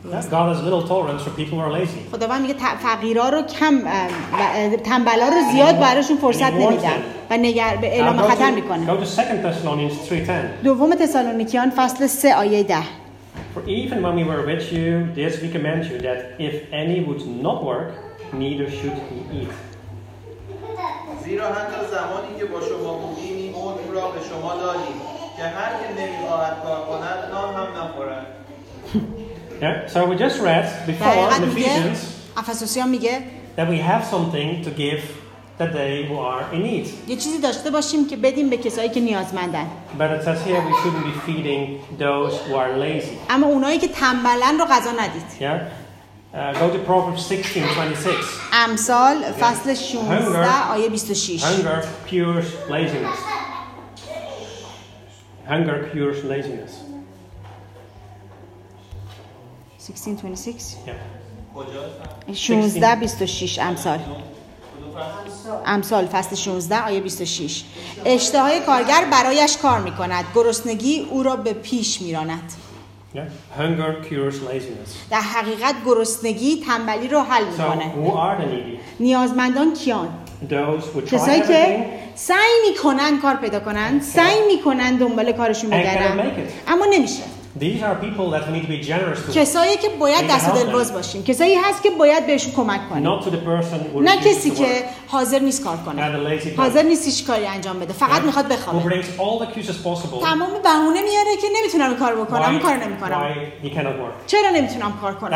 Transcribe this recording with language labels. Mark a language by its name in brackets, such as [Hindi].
[English] God has little tolerance for people who are lazy. [Persian] خداوند میگه فقیرا رو کم و تنبلا رو زیاد براشون فرصت نمیدن و نگر به اعلام خطر میکنه. [English] Go to 2 Thessalonians 3:10. [Persian] دوم تسالونیکیان فصل 3 آیه 10. [English] For even when we were with you, this we command you that if any would not work, neither should he eat. [Persian] زیرا حتی زمانی که با شما بودیم این امر را به شما دادیم که هر که نمی‌خواهد کار کند نان هم نخورد. [English] Yeah, so we just read before in Ephesians. [Persian] افسوسیان میگه [English] that we have something to give that they who are in need. [Persian] یه چیزی داشته باشیم که بدیم به کسایی که نیازمندن. [English] But it says here we shouldn't be feeding those who are lazy. [Persian] اما اونایی که تنبلن رو غذا ندید. [English] Yeah. Go to Proverbs 16:26. [Persian] امثال فصل 16 آیه 26. [English] Hunger cures laziness. Hunger cures laziness. 16:26. Yeah. 16:26 [Persian] امثال. امثال فصل 16 آیه 26. اشتهای کارگر برایش کار می‌کند. گرسنگی او را به پیش می‌راند. [English] Yeah. Hunger cures laziness. [Persian] در حقیقت گرسنگی تنبلی رو حل میکنه. [English] So, who are the needy? [Persian] نیازمندان کیان؟ [English] Those who try [Persian] کسایی که سعی میکنن کار پیدا کنن، سعی میکنن دنبال کارشون بگردن، اما نمیشه. [English] These are people that need to be generous to. [Persian] کسایی که باید دست و دلباز باشیم. کسایی هست که باید بهشون کمک کنیم. [English] Not to the person who. [Persian] نه کسی که حاضر نیست کار کنه. حاضر نیست هیچ کاری انجام بده. فقط میخواد بخوابه. [English] Who brings all the excuses possible. [Persian] تمام بهونه میاره که نمیتونم کار بکنم. کار نمیکنم. [English] Why he cannot work. [Persian] چرا نمیتونم کار کنم؟